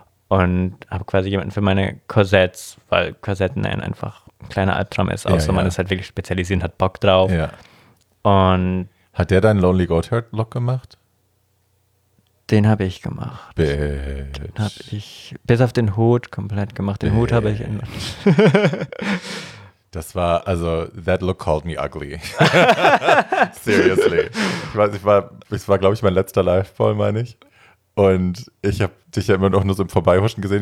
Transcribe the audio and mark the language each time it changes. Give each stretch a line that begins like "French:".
German: Und habe quasi jemanden für meine Korsetts, weil Korsetten einfach ein kleiner Albtraum ist, außer man ist halt wirklich spezialisiert und hat Bock drauf. Ja. Und hat der deinen Lonely Goatherd Look gemacht? Den habe ich gemacht.
English: Bitch.
German: Den habe ich bis auf den Hut komplett gemacht. Den Hut habe ich in. Das war, also,
English: that look called me ugly. Seriously.
German: Es war, glaube ich, mein letzter Live-Ball, meine ich. Und ich habe dich ja immer noch nur so im Vorbeihuschen gesehen.